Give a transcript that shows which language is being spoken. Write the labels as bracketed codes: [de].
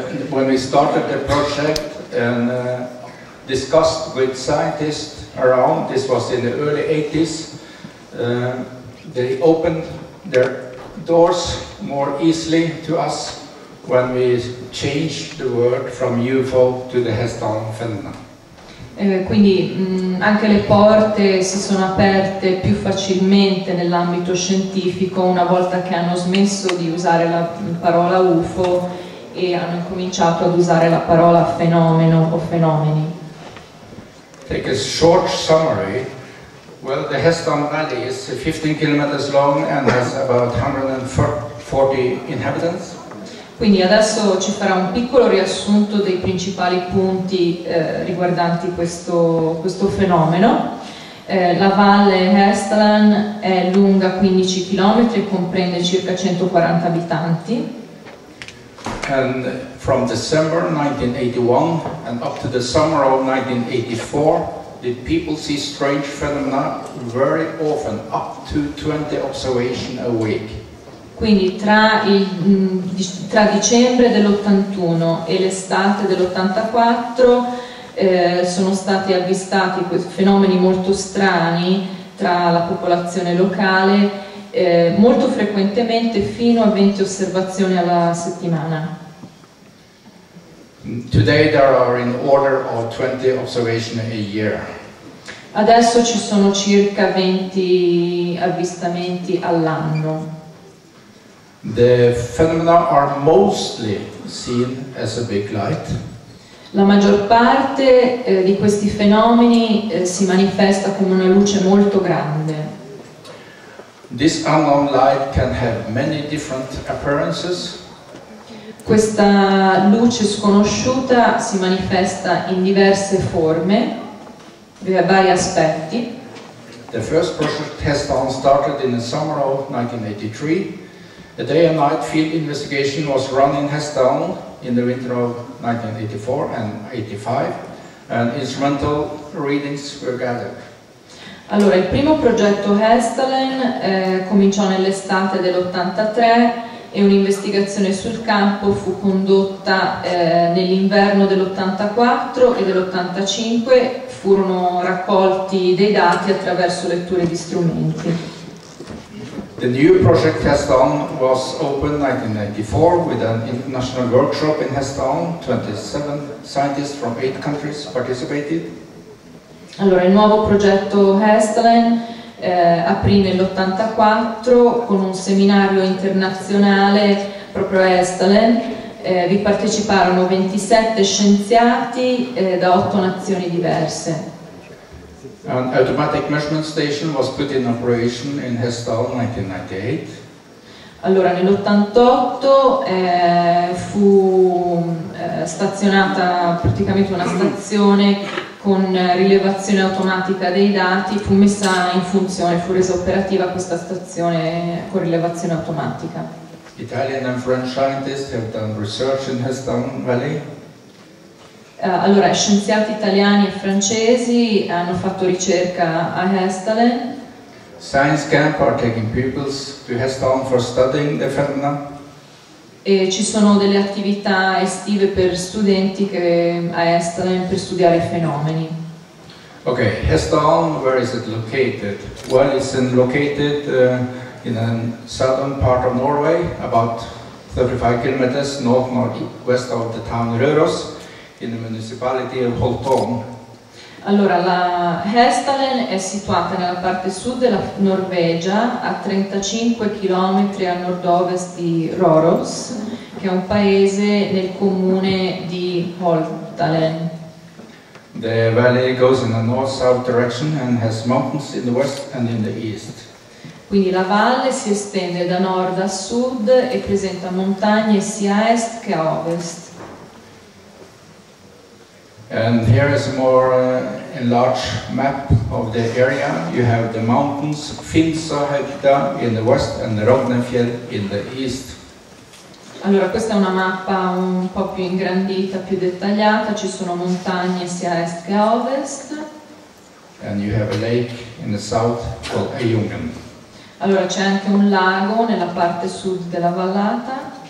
[en] When we started the project and discussed with scientists around, this was in the early 80s, they opened their doors more easily to us when we changed the word from UFO to the Hestdal phenomena. [it] Quindi anche le porte si sono aperte più facilmente nell'ambito scientifico una volta che hanno smesso di usare la parola UFO e hanno cominciato ad usare la parola fenomeno o fenomeni. [en] Take a short summary. Well, the Hestdal Valley is 15 km long and has about 140 inhabitants. [it] Quindi adesso ci farà un piccolo riassunto dei principali punti riguardanti questo fenomeno. La valle Hestland è lunga 15 km e comprende circa 140 abitanti. [en] And from December 1981 and up to the summer of 1984, the people see strange phenomena very often, up to 20 observations a week. [it] Quindi tra dicembre dell'81 e l'estate dell'84 sono stati avvistati fenomeni molto strani tra la popolazione locale, molto frequentemente fino a 20 osservazioni alla settimana. [en] Today there are in order of 20 observations a year. [it] Adesso ci sono circa 20 avvistamenti all'anno. [en] The phenomena are mostly seen as a big light. [it] La maggior parte di questi fenomeni si manifesta come una luce molto grande. [en] This unknown light can have many different appearances. [it] Questa luce sconosciuta si manifesta in diverse forme, in vari aspetti. [en] The first project Hestdal started in the summer of 1983. A day and night field investigation was run in Hestdal in the winter of 1984 and 85, and instrumental readings were gathered. [it] Allora, il primo progetto Hestdal cominciò nell'estate dell'83 e un'investigazione sul campo fu condotta nell'inverno dell'84 e dell'85, furono raccolti dei dati attraverso letture di strumenti. [en] The new project Hestown was opened 1994 with an international workshop in Hestown. 27 scientists from 8 countries participated. [it] Allora, il nuovo progetto Hestland aprì nell'84 con un seminario internazionale proprio a Hestland. Vi parteciparono 27 scienziati da 8 nazioni diverse. [en] An automatic measurement station was put in operation in Hestown 1998. [it] Allora, nell'88 fu stazionata praticamente una stazione con rilevazione automatica dei dati, fu messa in funzione, fu resa operativa questa stazione con rilevazione automatica. [en] Italian and French scientists have done research in Hestown Valley. [it] Allora, scienziati italiani e francesi hanno fatto ricerca a Hestalen. [en] Science camp are taking pupils to Hestalen for studying the phenomena. [it] E ci sono delle attività estive per studenti che a Hestalen per studiare i fenomeni. [en] Ok, Hestalen, where is it located? Well, it's located in the southern part of Norway, about 35 kilometers north-northwest of the town Røros. In the municipality of Holtholm. [it] Allora, la Hestalen è situata nella parte sud della Norvegia, a 35 km a nord-ovest di Røros, che è un paese nel comune di Holtalen. [en] The valley goes in a north-south direction and has mountains in the west and in the east. [it] Quindi la valle si estende da nord a sud e presenta montagne sia a est che a ovest. [en] And here is a more enlarged map of the area. You have the mountains Finsahöjda in the west and Rognefjell in the east. [it] Allora, questa è una mappa un po' più ingrandita, più dettagliata. Ci sono montagne sia a est che a ovest. [en] And you have a lake in the south called Ejungen. [it] Allora, c'è anche un lago nella parte sud della vallata.